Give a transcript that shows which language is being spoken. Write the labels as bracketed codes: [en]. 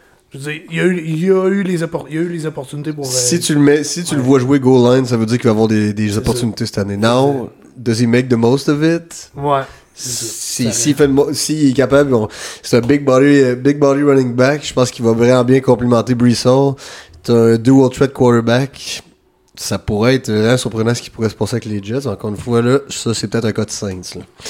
[fr] Je veux dire, il y a eu les opportunités pour. Si tu le vois jouer goal line, ça veut dire qu'il va avoir des opportunités cette année. [en] Now, does he make the most of it? [fr] Ouais. S'il est capable, bon, c'est un big body running back. Je pense qu'il va vraiment bien complimenter Breece Hall. C'est un dual threat quarterback. Ça pourrait être vraiment surprenant ce qui pourrait se passer avec les Jets. Encore une fois, là, ça, c'est peut-être un cas de Saints.